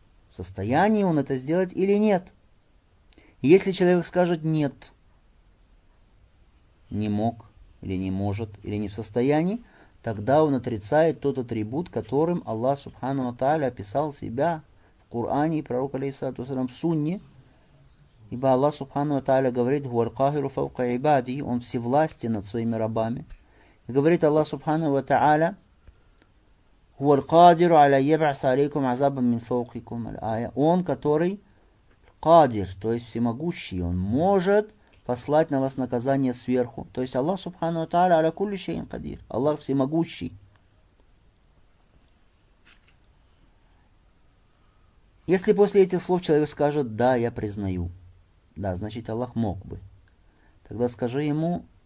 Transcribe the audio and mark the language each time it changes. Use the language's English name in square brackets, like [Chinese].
[Russian] В состоянии он это сделать или нет? Если человек скажет нет, не мог или не может, или не в состоянии, тогда он отрицает тот атрибут, которым Аллах Субхану ва Та'аля описал себя в Коране и пророк алейхиссалату вассалям в Сунне. Ибо Аллах Субхану ва Та'аля говорит, [Arabic] «Хуаль-кахиру фаука ибади», [Russian] он всевластен над своими рабами. И говорит Аллах Субхану ва Та'аля, [Arabic] هو القادر على يبعث عليكم عذابا من فوقكم الآية. [Russian] Он, который قادر, то есть всемогущий, он может послать на вас наказание сверху. То есть Аллах Субхану ва Та'аля [Arabic] على كل شيء قادر. [Russian] Аллах всемогущий. Если после этих слов человек скажет: "Да, я признаю". Да, значит, Аллах мог бы. Тогда скажи ему: